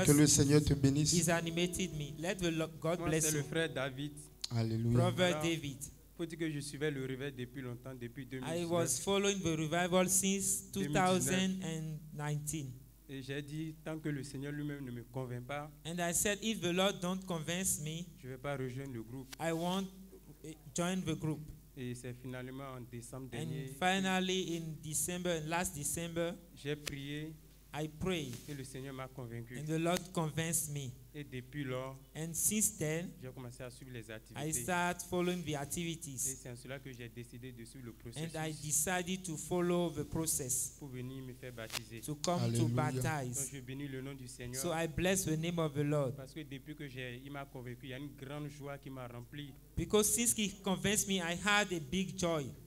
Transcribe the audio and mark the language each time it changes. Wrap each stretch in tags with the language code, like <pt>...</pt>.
<fr>que le Seigneur te bénisse.</fr> <en>Is animated me. Let the Lord God</en> <fr>moi,</fr> <en>bless</en> <fr>c'est Le frère David. Alléluia. Proverbe David. Faut dire que je suivais le réveil depuis longtemps, depuis 2019.</fr> <en>I was following the revival since 2019.</en> <fr>Et j'ai dit tant que le Seigneur lui-même ne me convainc pas.</fr> <en>And I said if the Lord don't convince me,</en> <fr>je vais pas rejoindre le groupe.</fr> <en>I won't join the group.</en> <fr>Et c'est finalement en décembre</fr> <en>and</en> <fr>dernier.</fr> <en>And finally in December, last December,</en> <fr>j'ai prié.</fr> <en>I prayed.</en> <fr>Et le Seigneur m'a convaincu.</fr> <en>And the Lord convinced me.</en> <fr>Et depuis lors,</fr> <en>and since then,</en> <fr>j'ai commencé à suivre les activités.</fr> <en>I start following the activities.</en> <fr>Et c'est en cela que j'ai décidé de suivre le processus.</fr> <en>And I decided to follow the process.</en> <fr>Pour venir me faire baptiser.</fr> <en>To come</en> <fr>Alléluia.</fr> <en>To baptize.</en> <fr>Donc je bénis le nom du Seigneur.</fr> <en>So I bless the name of the Lord.</en> <fr>Parce que depuis que il m'a convaincu, il y a une grande joie qui m'a rempli.</fr> <en>Because since he convinced me, I had a big joy.</en>